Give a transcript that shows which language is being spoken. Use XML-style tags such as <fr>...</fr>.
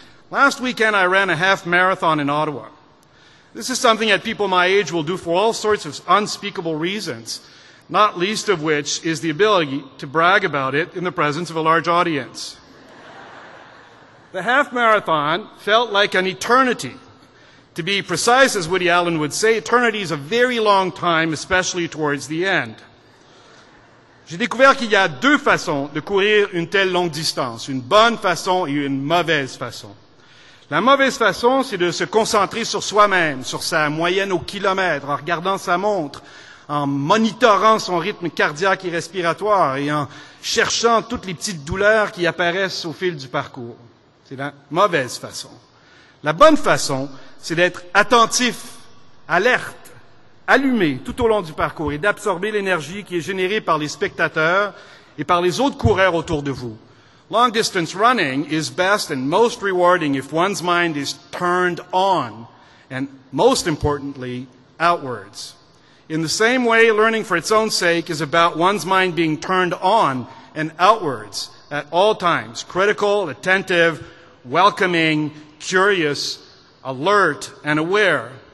<en>Last weekend, I ran a half marathon in Ottawa. This is something that people my age will do for all sorts of unspeakable reasons, not least of which is the ability to brag about it in the presence of a large audience. The half marathon felt like an eternity. To be precise, as Woody Allen would say, eternity is a very long time, especially towards the end.</en> <fr>J'ai découvert qu'il y a 2 façons de courir une telle longue distance, une bonne façon et une mauvaise façon. La mauvaise façon, c'est de se concentrer sur soi-même, sur sa moyenne au kilomètre, en regardant sa montre, en monitorant son rythme cardiaque et respiratoire et en cherchant toutes les petites douleurs qui apparaissent au fil du parcours. C'est la mauvaise façon. La bonne façon, c'est d'être attentif, alerte, allumé tout au long du parcours et d'absorber l'énergie qui est générée par les spectateurs et par les autres coureurs autour de vous.</fr> <en>Long distance running is best and most rewarding if one's mind is turned on, and most importantly, outwards. In the same way, learning for its own sake is about one's mind being turned on and outwards at all times, critical, attentive, welcoming, curious, alert, and aware.</en>